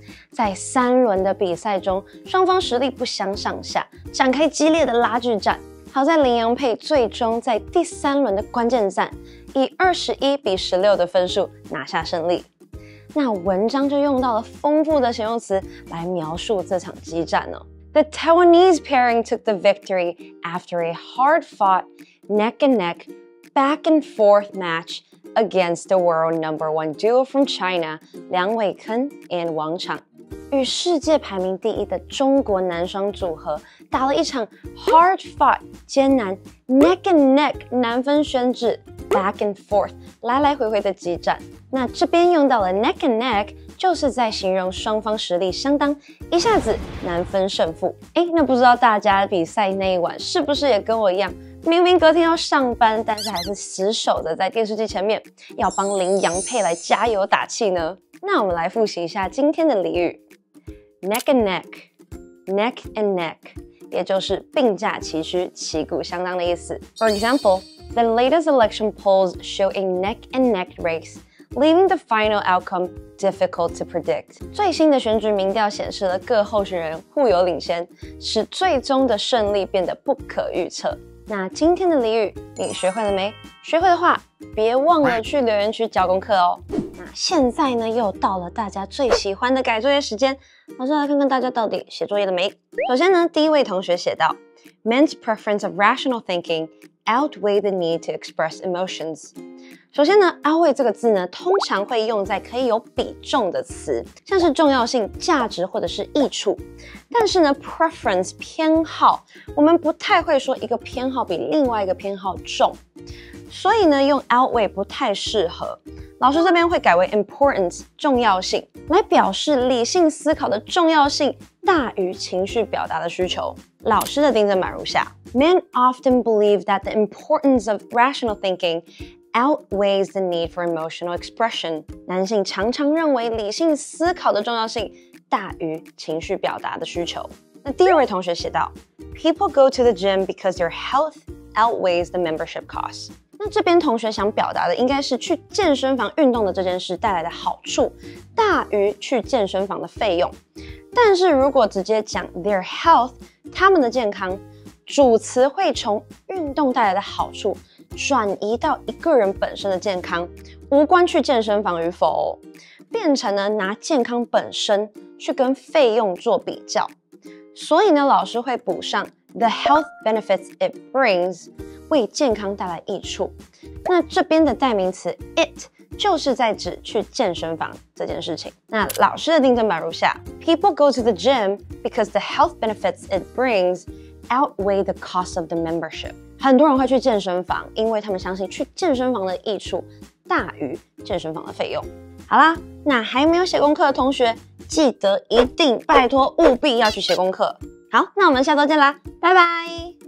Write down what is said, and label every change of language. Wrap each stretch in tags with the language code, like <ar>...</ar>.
<zh>在三轮的比赛中，双方实力不相上下，展开激烈的拉锯战。好在林洋配最终在第三轮的关键战，以21-16的分数拿下胜利。那文章就用到了丰富的形容词来描述这场激战呢。</zh> <en>The Taiwanese pairing took the victory after a hard-fought, neck and neck, back and forth match. Against the world number one duo from China,</en> <zh>梁伟铿</zh> <en>and</en> <zh>王场，与世界排名第一的中国男双组合打了一场</zh> <en>hard fought</en> <zh>艰难</zh> <en>neck and neck</en> <zh>难分轩轾</zh> <en>back and forth</en> <zh>来来回回的激战。那这边用到了</zh> <en>neck and neck，</en> <zh>就是在形容双方实力相当，一下子难分胜负。哎，那不知道大家比赛那一晚是不是也跟我一样？明明隔天要上班，但是还是死守的在电视机前面，要帮林洋配来加油打气呢。那我们来复习一下今天的俚语 ，</zh> <en>neck and neck， neck and neck，</en> <zh>也就是并驾齐驱、旗鼓相当的意思。</zh> <en>For example, the latest election polls show a neck and neck race, leaving the final outcome difficult to predict.</en> <zh>最新的选举民调显示了各候选人互有领先，使最终的胜利变得不可预测。那今天的俚语你学会了没？学会的话别忘了去留言区交功课哦。那现在呢又到了大家最喜欢的改作业时间，老师来看看大家到底写作业了没。首先呢，第一位同学写道</zh> <en>Men's preference of rational thinking outweigh the need to express emotions。</en> <zh>首先呢， outweigh 这个字呢通常会用在可以有比重的词，像是重要性、价值或者是益处。但是呢 preference 偏好，我们不太会说一个偏好比另外一个偏好重，所以呢用 outweigh 不太适合。老师这边会改为 importance 重要性，来表示理性思考的重要性大于情绪表达的需求。老师的订正版如下</zh> <en>Men often believe that the importance of rational thinking outweighs the need for emotional expression.</en> <zh>男性常常认为理性思考的重要性大于情绪表达的需求。那第二位同学写道</zh> <en>People go to the gym because their health outweighs the membership costs.</en> <zh>那这边同学想表达的应该是去健身房运动的这件事带来的好处大于去健身房的费用。但是如果直接讲</zh> <en>their health,</en> <zh>他们的健康，主词会从运动带来的好处转移到一个人本身的健康，无关去健身房与否哦，变成呢拿健康本身去跟费用做比较。所以呢老师会补上</zh> <en>the health benefits it brings,</en> <zh>为健康带来益处。那这边的代名词 it 就是在指去健身房这件事情。那老师的订正版如下</zh> <en>People go to the gym because the health benefits it brings outweigh the cost of the membership.</en> <zh>很多人会去健身房，因为他们相信去健身房的益处大于健身房的费用。好啦，那还没有写功课的同学记得一定拜托务必要去写功课。好，那我们下周见啦，拜拜。</zh>